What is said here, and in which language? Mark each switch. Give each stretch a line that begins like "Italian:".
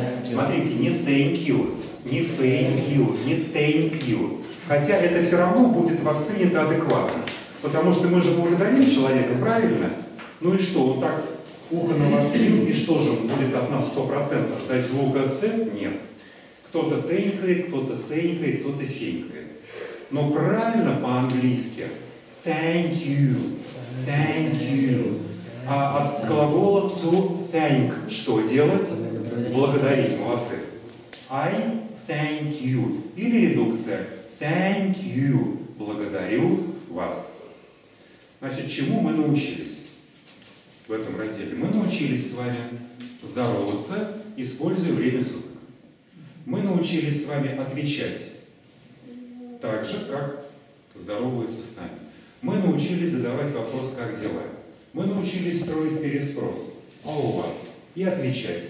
Russian: Смотрите, не
English: thank you, не thank you, не thank you.
Russian: Хотя это все равно будет воспринято адекватно. Потому что мы же благодарим человека, правильно? Ну и что, он так ухо навострил, и что же, он будет от нас 100% ждать звука «с»? Нет. Кто-то «тэнькает», кто-то «сэнькает», кто-то «фенькает». Но правильно по-английски
English: «thank you»,
Russian: «thank you». А от глагола «to thank» что делать? Благодарить, молодцы.
English: «I thank you»
Russian: или редукция «thank you» – «благодарю вас». Значит, чему мы научились в этом разделе? Мы научились с вами здороваться, используя время суток. Мы научились с вами отвечать так же, как здороваются с нами. Мы научились задавать вопрос «как дела?». Мы научились строить переспрос «а у вас?» и отвечать.